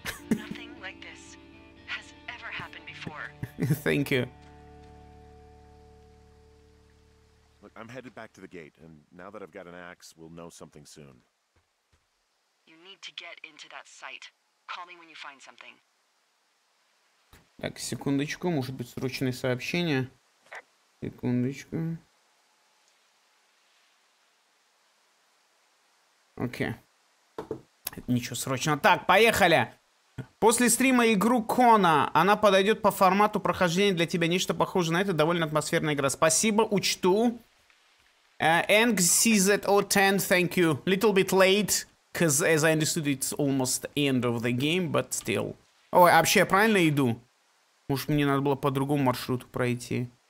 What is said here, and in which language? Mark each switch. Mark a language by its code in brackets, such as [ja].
[en] Nothing like this has ever happened before. Thank you. Look, I'm headed back to the gate, and now that I've got an axe, we'll know something soon. You need to get into that site. Call me when you find something. [ru] Так, секундочку, может быть, срочное сообщение. Секундочку. Окей. Ничего срочно. Так, поехали. После стрима игру Кона. Она подойдет по формату прохождения для тебя. Нечто похоже на это. Довольно атмосферная игра. Спасибо, учту. NCZO10, [en] thank you. Little bit late, because as I understood, it's almost end of the game, but still. [ru] Ой, вообще, я правильно иду? Может, мне надо было по другому маршруту пройти?